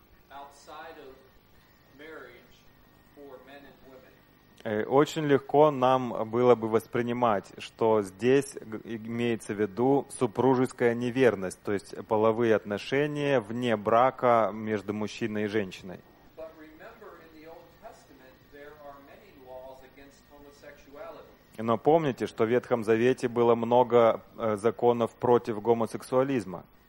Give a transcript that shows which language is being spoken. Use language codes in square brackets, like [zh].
[en] outside of marriage for men and women. [ru] Очень легко нам было бы воспринимать, что здесь имеется в виду супружеская неверность, то есть половые отношения вне брака между мужчиной и женщиной. [en] But remember, in the Old Testament, there are many laws against homosexuality. [ru] Но помните, что в Ветхом Завете было много законов против гомосексуализма.